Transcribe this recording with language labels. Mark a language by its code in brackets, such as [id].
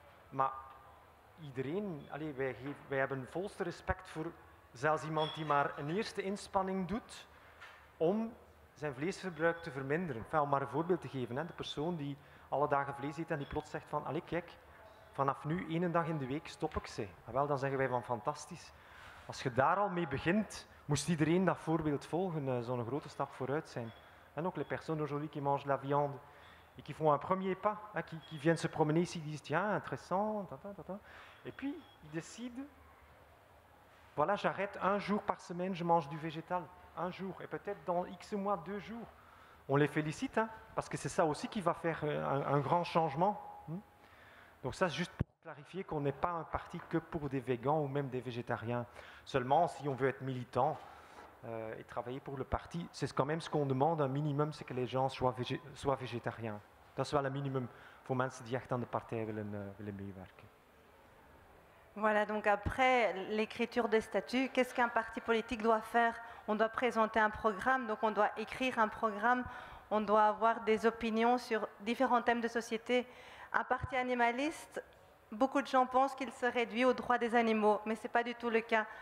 [nl] Maar iedereen, allez, wij hebben volste respect voor zelfs iemand die maar een eerste inspanning doet om zijn vleesverbruik te verminderen. Enfin, om maar een voorbeeld te geven, hè. De persoon die alle dagen vlees eet en die plots zegt van, allez, kijk, vanaf nu, één dag in de week, stop ik ze. En wel, dan zeggen wij van fantastisch. Als je daar al mee begint, moest iedereen dat voorbeeld volgen. Zo'n grote stap vooruit zijn. En ook de personen [fr] aujourd'hui qui mangent la viande et qui font un premier pas, hein, qui viennent se promener ici, disent tiens, intéressant, ta, ta, ta, ta. Et puis, ils décident, voilà, j'arrête un jour par semaine, je mange du végétal. Un jour, et peut-être dans X mois, deux jours. On les félicite, hein, parce que c'est ça aussi qui va faire un grand changement. Donc ça, c'est juste pour clarifier qu'on n'est pas un parti que pour des végans ou même des végétariens. Seulement, si on veut être militant et travailler pour le parti, c'est quand même ce qu'on demande, un minimum, c'est que les gens soient végétariens. [nl] Dat is wel een minimum voor mensen die echt aan de partij willen meewerken. [fr] Voilà, donc après l'écriture des statuts, qu'est-ce qu'un parti politique doit faire? On doit présenter un programme, donc on doit écrire un programme, on doit avoir des opinions sur différents thèmes de société. Un parti animaliste, beaucoup de gens pensent qu'il se réduit aux droits des animaux, mais ce n'est pas du tout le cas.